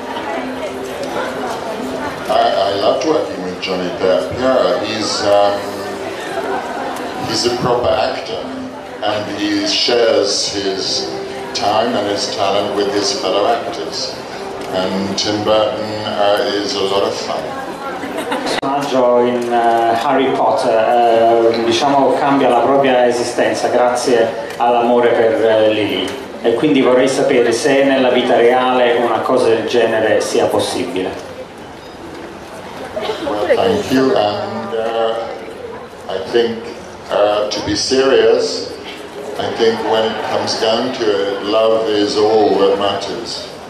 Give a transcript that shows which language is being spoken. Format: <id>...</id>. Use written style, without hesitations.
<en>I loved working with Johnny Depp. Yeah, he's a proper actor and he shares his time and his talent with his fellow actors. And Tim Burton is a lot of fun.</en> <it>In Harry Potter diciamo cambia la propria esistenza grazie all'amore per Lily e quindi vorrei sapere se nella vita reale una cosa del genere sia possibile.</it> <en>Well, thank you and I think to be serious I think when it comes down to it love is all that matters.</en>